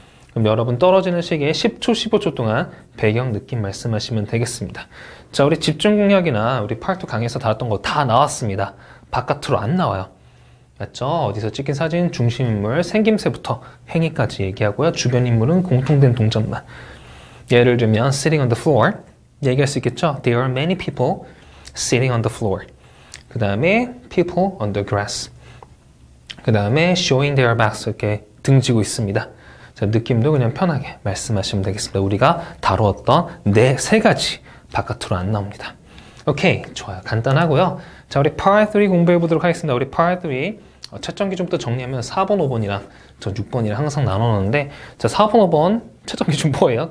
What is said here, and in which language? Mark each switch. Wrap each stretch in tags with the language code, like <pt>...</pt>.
<ko>그럼 여러분 떨어지는 시계에 10초, 15초 동안 배경 느낌 말씀하시면 되겠습니다. 자, 우리 집중 공략이나 우리 파트 강의에서 다뤘던 거다 나왔습니다. 바깥으로 안 나와요. 맞죠? 어디서 찍힌 사진, 중심인물, 생김새부터 행위까지 얘기하고요. 주변 인물은 공통된 동작만. 예를 들면,</ko> <en>sitting on the floor.</en> <ko>얘기할 수 있겠죠?</ko> <en>There are many people sitting on the floor.</en> <ko>그 다음에,</ko> <en>people on the grass.</en> <ko>그 다음에,</ko> <en>showing their backs.</en> <ko>이렇게 등지고 있습니다. 자, 느낌도 그냥 편하게 말씀하시면 되겠습니다. 우리가 다루었던 네세 가지 바깥으로 안 나옵니다. 오케이, 좋아요. 간단하고요. 자, 우리 part 3 공부해 보도록 하겠습니다. 우리 part 3 최점기 좀또 정리하면 4번, 5번이랑 저 6번이랑 항상 나눠놓는데 자, 4번, 5번 최점기 좀 뭐예요?</ko>